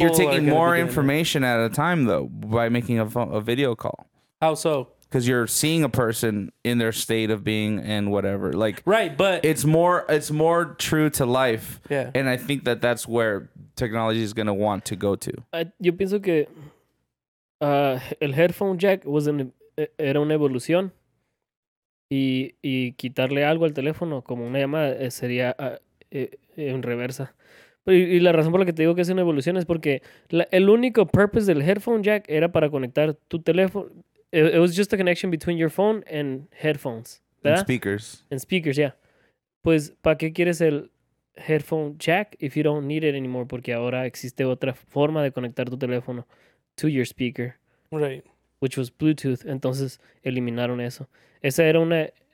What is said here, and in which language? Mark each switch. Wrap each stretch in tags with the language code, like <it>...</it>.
<en>You're taking more information at a time, though, by making a video call. How so? Because you're seeing a person in their state of being and whatever. Like, right, but... It's more true to life. Yeah. And I think that that's where technology is going to want to go to.</en> <es>Yo pienso que el headphone jack era una evolución. Y quitarle algo al teléfono, como una llamada, sería en reversa. Y la razón por la que te digo que es una evolución es porque el único purpose del headphone jack era para conectar tu teléfono.</es> <en>It was just a connection between your phone and headphones.</en> <es>¿Verdad?</es> <en>And speakers. And speakers, yeah.</en> <es>Pues, ¿para qué quieres el</es> <en>headphone jack if you don't need it anymore?</en> <es>Porque ahora existe otra forma de conectar tu teléfono</es> <en>to your speaker. Right. Which was Bluetooth.</en> <es>Entonces, eliminaron eso. Esa era una...</es>